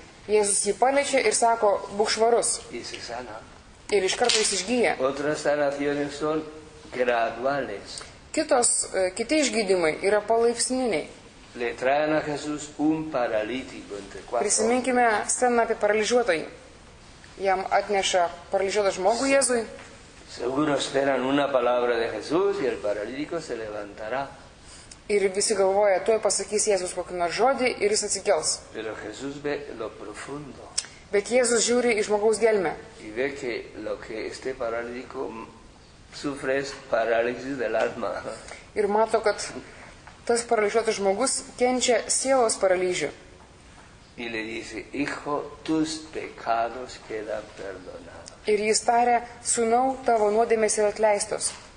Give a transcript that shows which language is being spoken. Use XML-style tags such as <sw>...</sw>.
<lt>Jėzus jį paliečia ir sako, būk švarus. Ir iš karto jis išgyja. Kitos, kiti išgydymai yra palaipsniniai. Prisiminkime sceną apie paralyžiuotojį. Jam atneša paralyžiuotą žmogų Jėzui.</lt> <es>Seguro esperan una palabra de Jesús y el paralítico se levantará.</es> <lt>Ir visi galvoja, tuoj pasakys Jėzus kokį nors žodį ir jis atsikels.</lt> <es>Pero Jesús ve lo profundo.</es> <lt>Bet Jėzus žiūri į žmogaus gelmę.</lt> <es>Y ve que lo que este paralítico sufre es parálisis del alma.</es> <lt>Ir mato, kad tas paralyžiuotas žmogus kenčia sielos paralyžių.</lt> <es>Y le dice, hijo, tus pecados quedan perdonados.</es> <lt>Ir jis tarė, sūnau, tavo nuodėmės yra atleistos.</lt>